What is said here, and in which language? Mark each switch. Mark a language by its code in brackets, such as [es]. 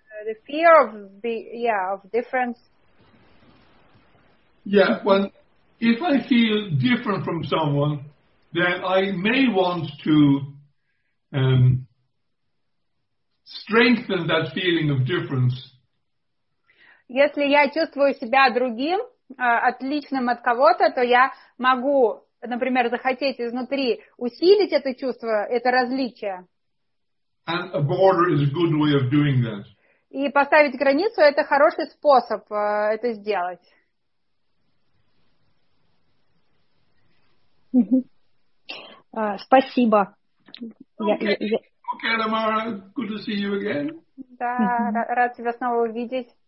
[en] The fear of of difference. Yeah, well, if I feel different from someone, then I may want to strengthen that feeling of difference. [ru] Если я чувствую себя другим, отличным от кого-то, то я могу, например, захотеть изнутри усилить это чувство, это различие. [en] And a border is a good way of doing that. [ru] И поставить границу – это хороший способ это сделать. Спасибо. [en] Okay, Tamara, good to see you again. [ru] Да, рад тебя снова увидеть.